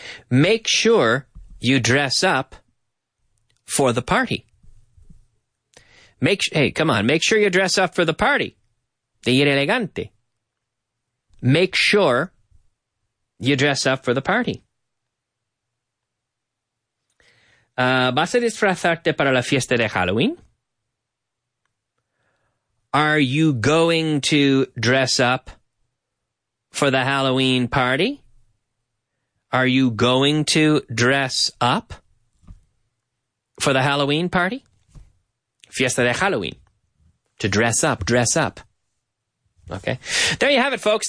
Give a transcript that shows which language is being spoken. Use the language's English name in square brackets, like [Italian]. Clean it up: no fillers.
[English] Make sure you dress up for the party. Make sure you dress up for the party. [Spanish] De ir elegante. [English] Make sure you dress up for the party. [Spanish] ¿Vas a disfrazarte para la fiesta de Halloween? [English] Are you going to dress up for the Halloween party? Are you going to dress up for the Halloween party? [Spanish] Fiesta de Halloween. [English] To dress up, dress up. Okay. There you have it, folks.